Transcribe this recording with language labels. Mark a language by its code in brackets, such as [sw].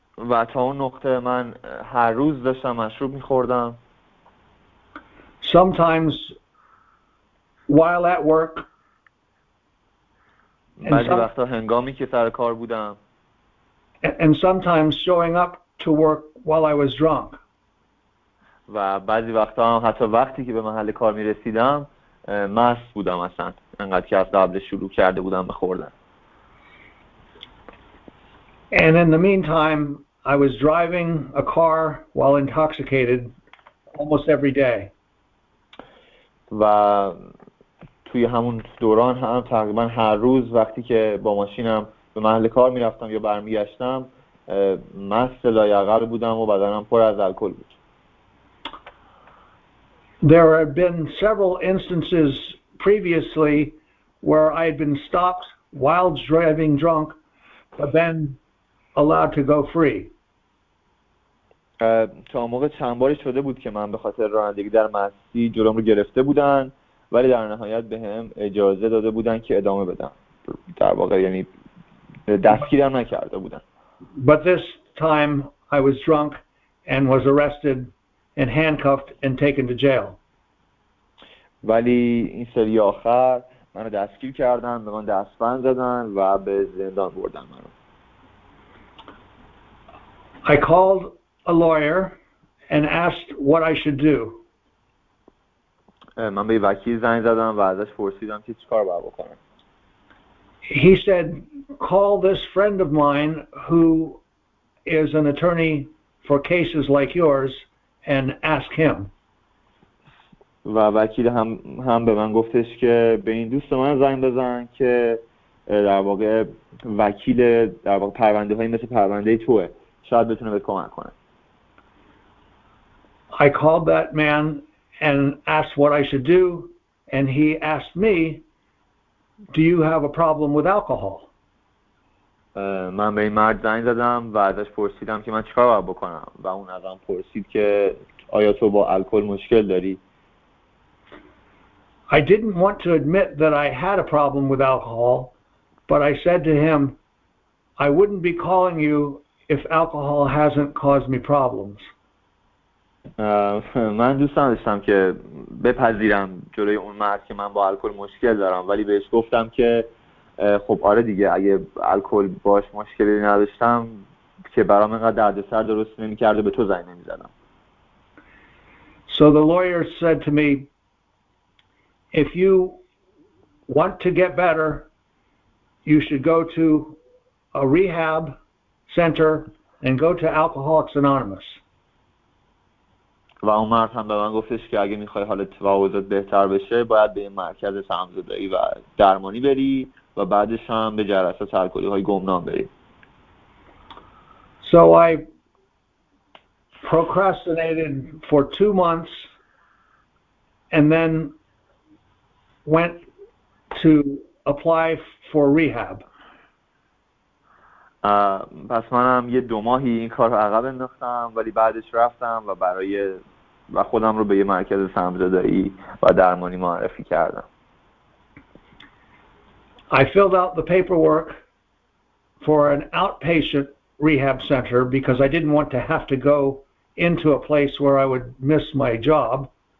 [fa] و تا اون نقطه من هر روز داشتم مشروب می‌خوردم. [en] Sometimes, while at work. [fa] بعضی وقتا هنگامی که سر کار بودم. [en] And sometimes showing up to work while I was drunk. [fa] و بعضی وقتا هم حتی وقتی که به محل کار می رسیدم مست بودم اصلا انقدر که از قبل شروع کرده بودم بخوردن. [en] And in the meantime I was driving a car while intoxicated almost every day. [fa] و توی همون دوران هم تقریبا هر روز وقتی که با ماشینم به محل کار میرفتم یا برمیگشتم مست لایعقل بودم و بدنم پر از الکل بود. [en] There have been several instances previously where I had been stopped while driving drunk, but then allowed to go free. [fa] تا موقع چند باری شده بود که من به خاطر رانندگی در مستی جلوم رو گرفته بودن ولی در نهایت به هم اجازه داده بودن که ادامه بدم. در واقع یعنی دستگیرم نکرده بودن. [en] But this time I was drunk and was arrested and handcuffed and taken to jail. [fa] ولی این سری آخر منو دستگیر کردن، به من دستبند زدن و به زندان بردن منو. [en] I called a lawyer and asked what I should do. [fa] من به وکیل زنگ زدم و ازش پرسیدم که چیکار باید بکنم. [en] He said, "Call this friend of mine who is an attorney for cases like yours." And ask him. [fa] و وکیل هم به من گفتش که به این دوست من زنگ بزن که در واقع وکیل در واقع پرونده های مثل پرونده توه شاید بتونه بهت کمک کنه. [en] I called that man and asked what I should do and he asked me, "Do you have a problem with alcohol?" [fa] من به این مرد زنگ زدم و ازش پرسیدم که من چیکار باید بکنم و اون ازم پرسید که آیا تو با الکل مشکل داری؟ [en] I didn't want to admit that I had a problem with alcohol, but I said to him, "I wouldn't be calling you if alcohol hasn't caused me problems." [fa] من دوست داشتم که بپذیرم جلوی اون مرد که من با الکل مشکل دارم ولی بهش گفتم که خب آره دیگه اگه الکل باش مشکلی نداشتم که برام اینقدر دردسر درست نمی‌کرد به تو زنگ نمی‌زدم. [en] So the lawyer said to me, "If you want to get better, you should go to a rehab center and go to Alcoholics Anonymous." [fa] و اون مرد هم به من گفتش که اگه می‌خوای حالت و اوضاعت بهتر بشه باید به مرکز سمزدایی و درمانی بری و بعدش هم به جلسات الکلی های گمنام بریم. [en] So I procrastinated for 2 months and then went to apply for rehab. [fa] پس منم یه 2 ماهی این کار رو عقب انداختم ولی بعدش رفتم و برای و خودم رو به یه مرکز سمزدایی و درمانی معرفی کردم. [en] I filled out the paperwork for an outpatient rehab center because I didn't want to have to go into a place where I would miss my job.